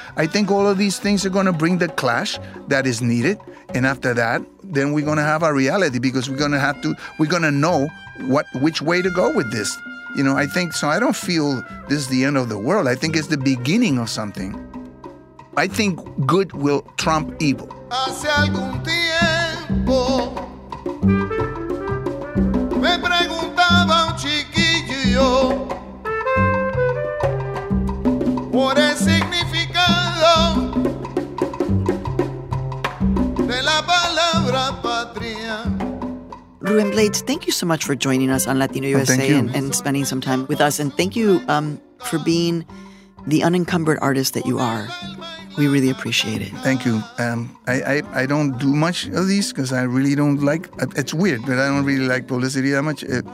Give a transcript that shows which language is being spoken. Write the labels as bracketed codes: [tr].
[en] I think all of these things are going to bring the clash that is needed. And after that, then we're going to have a reality, because we're going to know which way to go with this. You know, I think, so I don't feel this is the end of the world. I think it's the beginning of something. I think good will trump evil. [es] Hace algún tiempo me preguntaba un chiquillo por el significado de la palabra patria. [en] Ruben Blades, thank you so much for joining us on Latino USA and spending some time with us. And thank you for being the unencumbered artist that you are. We really appreciate it. Thank you. I don't do much of these because I really don't like, it's weird, but I don't really like publicity that much.